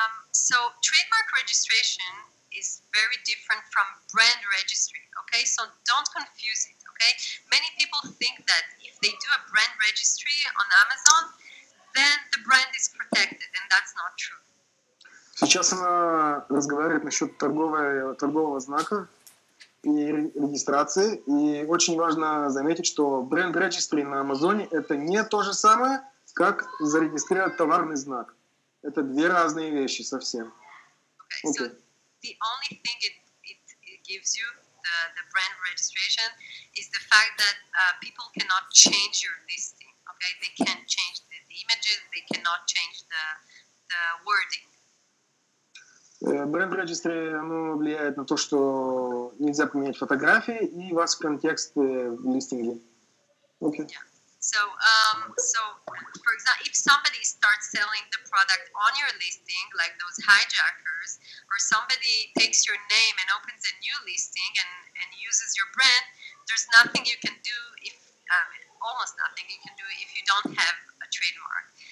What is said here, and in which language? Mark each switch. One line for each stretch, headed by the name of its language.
English: So trademark registration is very different from brand registry, okay? So don't confuse it, okay? Many people think that if they do a brand registry on Amazon, then the brand is protected, and that's not true.
Russian: Сейчас она разговаривает насчет торгового знака и регистрации, и очень важно заметить, что brand registry на Amazon это не то же самое, как зарегистрировать товарный знак. Это две разные вещи совсем.
English: Okay. The only thing it gives you, the brand registration, is the fact that people cannot change your listing, okay? They can't change the images, they cannot change the wording.
Russian: Brand registry, оно влияет на то, что нельзя поменять фотографии и вас в контекст в листинге.
English: Okay. Yeah. So for example, if somebody starts selling the product on your listing, like those hijackers, or somebody takes your name and opens a new listing and uses your brand, there's nothing you can do almost nothing you can do if you don't have a trademark.